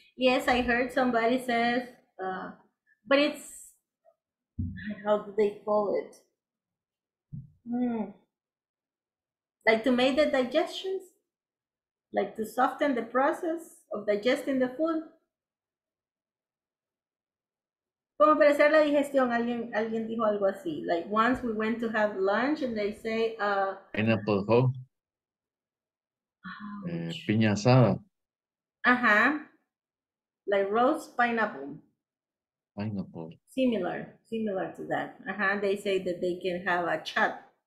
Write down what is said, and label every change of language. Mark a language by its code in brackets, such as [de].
[en] Yes, I heard somebody says, but it's, how do they call it? Like to make the digestions, like to soften the process of digesting the food. [es] Como para hacer la digestión, alguien dijo algo así. [en] Like once we went to have lunch and they say, pineapple hoe. [es] Piña asada. [en] Ajá. Uh-huh. Like roast pineapple. Pineapple. Similar to that. Ajá. Uh-huh. They say that they can have a chat.